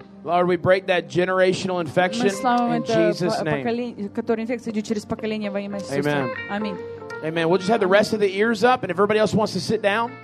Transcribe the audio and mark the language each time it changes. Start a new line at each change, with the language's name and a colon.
English: Lord, we break that generational infection in Jesus' name.
Russian: Которая инфекция идет через поколение во имя Иисуса.
English: Amen. Amen. We'll just have the rest of the ears up, and if everybody else wants to sit down.